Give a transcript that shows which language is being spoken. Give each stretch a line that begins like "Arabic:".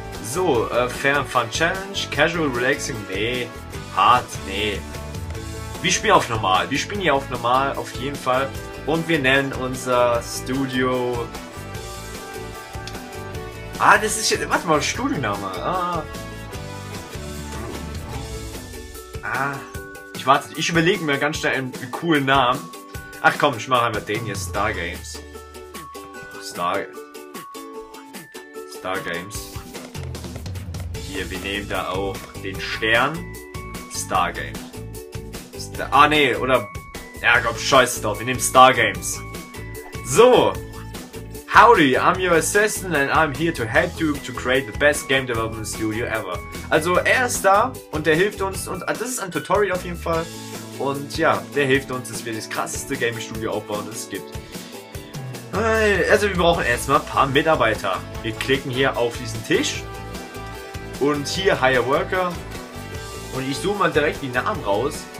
German: So, Fair and Fun Challenge, Casual Relaxing, nee, hart, nee. Wir spielen auf normal, wir spielen hier auf normal, auf jeden Fall. Und wir nennen unser Studio... Ah, das ist hier, warte mal, Studioname. Ich überlege mir ganz schnell einen coolen Namen. Ach komm, ich mache einfach den hier, Star Games. Star Games. Hier, wir nehmen da auch den Stern Stargames. Wir nehmen Stargames.
English: So, howdy, I'm your assistant and I'm here to help you to create the best game development studio ever.
German: Also er ist da und der hilft uns und das ist ein Tutorial auf jeden Fall. Und ja, der hilft uns, dass wir das krasseste Gaming Studio aufbauen, das es gibt. Also wir brauchen erstmal ein paar Mitarbeiter. Wir klicken hier auf diesen Tisch. Und hier Hire Worker. Und ich suche mal direkt die Namen raus.